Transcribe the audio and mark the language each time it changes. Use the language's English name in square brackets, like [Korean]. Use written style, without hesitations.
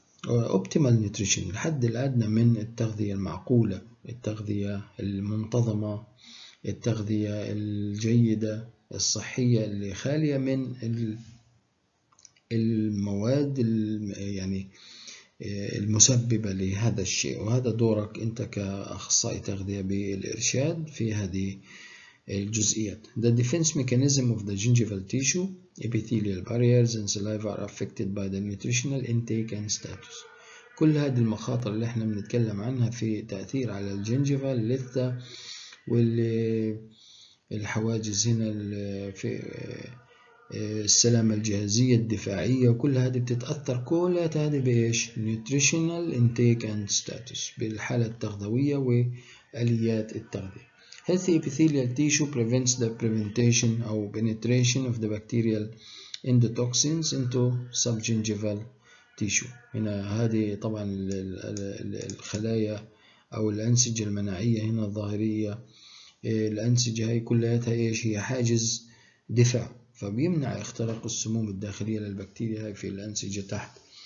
[Arabic] Optimal nutrition، الحد الأدنى من التغذية المعقولة، التغذية المنتظمة، التغذية الجيدة الصحية اللي خالية من المواد يعني المسببة لهذا الشيء. وهذا دورك أنت كأخصائي تغذية بالإرشاد في هذه الجزئيات. [English] The defense mechanism of the gingival tissue, epithelial barriers and saliva are affected by the nutritional intake and status. [Arabic] كل هذه المخاطر اللي احنا بنتكلم عنها في تأثير على الجنجيفا اللثة والحواجز هنا في السلامة الجهازية الدفاعية، وكل هذه بتتأثر كلها هذه بإيش؟ [English] nutritional intake and status، [Arabic] بالحالة التغذوية وآليات التغذية. [English] Healthy epithelial tissue prevents the presentation or penetration of the bacterial endotoxins into subgingival tissue. [Arabic] هنا هذه طبعا الخلايا أو الأنسجة المناعية هنا الظاهرية، الأنسجة هاي كلها إيش؟ هي حاجز دفاع، فبيمنع اختراق السموم الداخلية للبكتيريا هاي في الأنسجة تحت